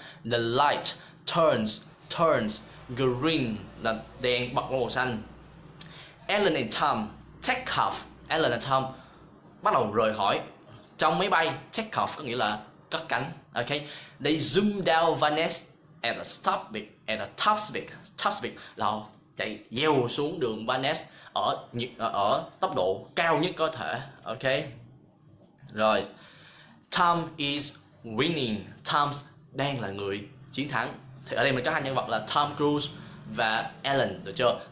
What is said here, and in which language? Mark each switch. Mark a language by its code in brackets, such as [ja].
[en] The light turns green [vi] là đèn bật màu xanh. [en] Alan and Tom take off. Alan and Tom [vi] bắt đầu rời khỏi. Trong máy bay, take off có nghĩa là cất cánh. Okay. [en] They zoom down Van Ness at a top speed. Top speed [vi] là chạy dèo xuống đường Van Ness ở tốc độ cao nhất có thể. [en] Okay. [vi] Rồi. [en] Tom is winning. [vi] Tom đang là người chiến thắng. Thì ở đây mình có hai nhân vật là Tom Cruise và Alan, được chưa?